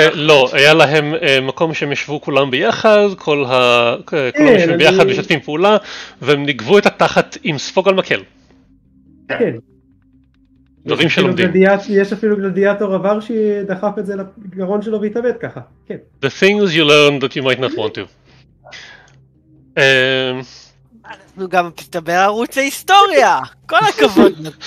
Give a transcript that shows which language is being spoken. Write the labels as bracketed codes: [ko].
[he] לא, היה להם מקום שהם ישבו כולם ביחד, כל המשבים ביחד משתפים פעולה, והם נגבו את התחת עם ספוג על מקל. כן. דברים שלומדים. יש אפילו גלדיאטור עבר שדחף את זה לגרון שלו והתאבד ככה, כן. [en] The things you learn that you might not want to. [he] אנחנו גם מדבר ערוץ ההיסטוריה, כל הכבוד.